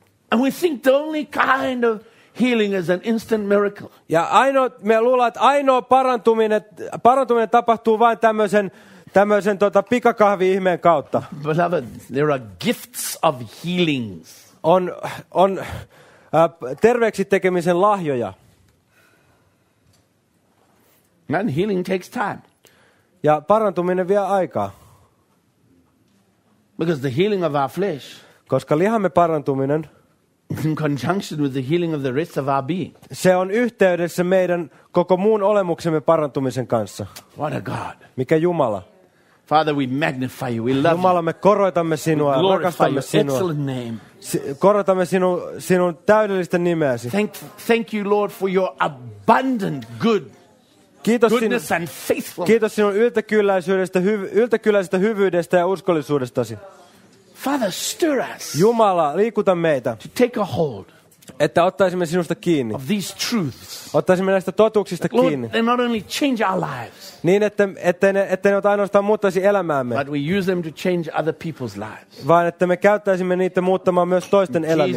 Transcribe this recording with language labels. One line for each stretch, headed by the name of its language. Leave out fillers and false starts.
English: And we think the only kind of healing is an instant miracle.
Finnish: Ja ainoa, me luulemme, että ainoa parantuminen tapahtuu vain tämmöisen pikakahvi-ihmeen kautta.
English: Beloved, there are gifts of healings.
Finnish: On terveeksi tekemisen lahjoja.
English: And healing takes time.
Finnish: Ja parantuminen vie aikaa.
English: Because the healing of our flesh.
Finnish: Koska lihamme parantuminen.
English: In conjunction with the healing of the rest of our being.
Finnish: Se on yhteydessä meidän koko muun olemuksemme parantumisen kanssa.
English: What a God.
Finnish: Mikä Jumala.
English: Father, we magnify you, we love you.
Finnish: Jumala, me korotamme sinua,
English: we glorify your
Finnish: sinua.
English: Excellent name.
Finnish: Korotamme sinun täydellistä nimeäsi.
English: Thank you, Lord, for your abundant good.
Finnish: Kiitos
English: goodness
Finnish: sinun,
English: and faithfulness.
Finnish: Kiitos sinun yltäkylläisestä hyvyydestä ja uskollisuudestasi.
English: Father, stir us.
Finnish: Jumala, liikuta meitä.
English: To take a hold.
Finnish: Että ottaisimme sinusta kiinni.
English: Of these truths.
Finnish: Ottaisimme näistä totuuksista
English: Lord,
Finnish: kiinni.
English: They not only change our lives.
Finnish: Niin että ne ainoastaan muuttaisi elämäämme.
English: But we use them to change other people's lives.
Finnish: Vaan että me käyttäisimme niitä muuttamaan myös toisten elämiä.